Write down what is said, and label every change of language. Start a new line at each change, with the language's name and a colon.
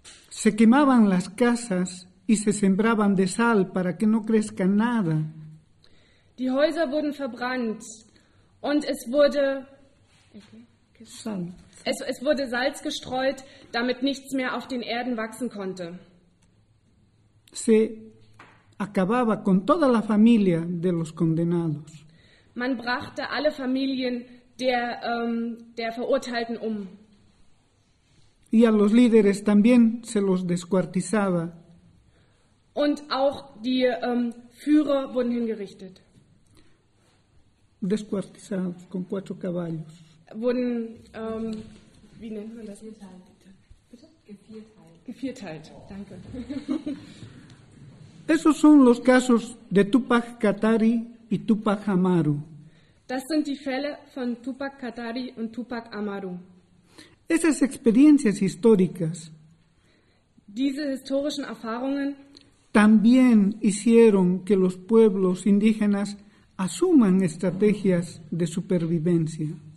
Spanish: Se quemaban las casas y se sembraban de sal para que no crezca nada.
German: Die Häuser wurden verbrannt und es wurde... Es wurde Salz gestreut, damit nichts mehr auf den Erden wachsen konnte.
Spanish: Se acababa con toda la familia de los condenados.
German: Man brachte alle Familien der Verurteilten um.
Spanish: Y a los líderes también se los descuartizaba.
German: Und auch die Führer wurden hingerichtet.
Spanish: Descuartizados con cuatro caballos.
German: Wurden, wie nennt man das? Gevierteilt. Danke.
Spanish: Esos son los casos de Tupac Katari y Tupac Amaru.
German: Das sind die Fälle von Tupac Katari und Tupac Amaru.
Spanish: Esas experiencias históricas.
German: Diese historischen Erfahrungen
Spanish: también hicieron que los pueblos indígenas asuman estrategias de supervivencia.